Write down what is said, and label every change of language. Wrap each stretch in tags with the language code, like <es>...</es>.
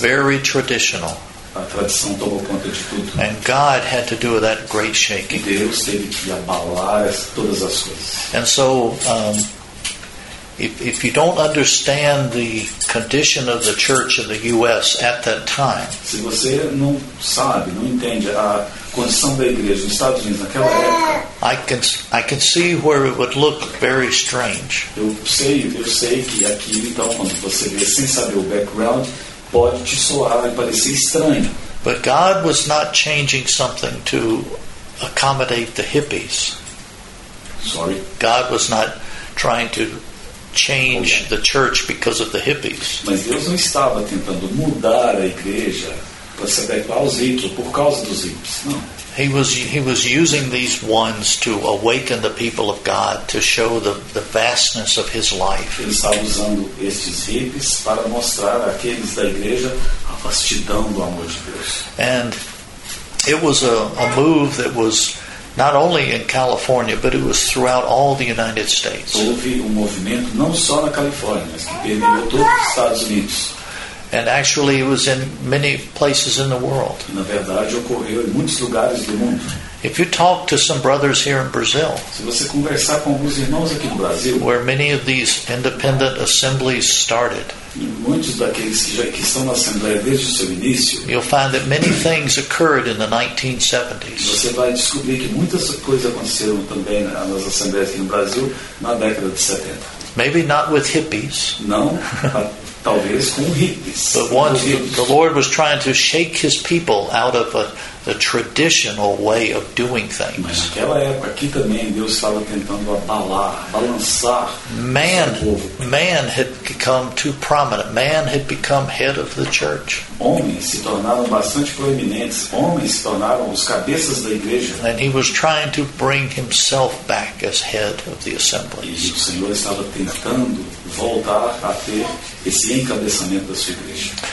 <en>Very traditional.</en> <pt>A tradição tomou conta de tudo.</pt> <en>And God had to do that great shaking.</en> <pt>E Deus teve que abalar todas as coisas.</pt> <en>And so, if you don't understand the condition of the church in the U.S. at that time,</en> <pt>se você não sabe, não entende a condição da igreja nos Estados Unidos naquela época,</pt> <en>I can see where it would look very strange.</en> <pt>Eu sei que aqui, então, quando você vê sem saber o background, pode te soar e parecer estranho.</pt> <en>But God was not changing something to accommodate the hippies. Sorry. God was not trying to change the church because of the hippies.</en> <pt>Mas Deus não estava tentando mudar a igreja para se adequar aos hippies, por causa dos hippies. Não.</pt> <en>He was using these ones to awaken the people of God to show the vastness of his life.</en> <pt>Ele estava usando estes hippies para mostrar àqueles da igreja a vastidão do amor de Deus.</pt> <en>And it was a move that was not only in California, but it was throughout all the United States.</en> <pt>Houve movimento não só na Califórnia, mas que permeou todos os Estados Unidos.</pt> <en>And actually it was in many places in the world.</en> <pt>Na verdade, ocorreu em muitos lugares do mundo.</pt> <en>If you talk to some brothers here in Brazil,</en> <pt>se você conversar com alguns irmãos aqui no Brasil,</pt> <en>where many of these independent assemblies started,</en> <pt>muitos daqueles que estão na Assembleia desde o seu início,</pt> <en>you'll find that many things occurred in the 1970s.</en> <pt>Você vai descobrir que muitas coisas aconteceram também nas assembleias aqui no Brasil na década de 70.</pt> <en>Maybe not with hippies.</en> <pt>Não. Talvez com hippies.</pt> <en>But once the Lord was trying to shake his people out of the traditional way of doing things.</en> <pt>Mas naquela época aqui também Deus estava tentando abalar, balançar.</pt> <en>Man had become too prominent. Man had become head of the church.</en> <pt>Homens se tornaram bastante proeminentes. Homens se tornaram os cabeças da igreja.</pt> <en>And he was trying to bring himself back as head of the assembly.</en> <pt>E o Senhor estava tentando voltar a ter esse encabeçamento da sua igreja.</pt>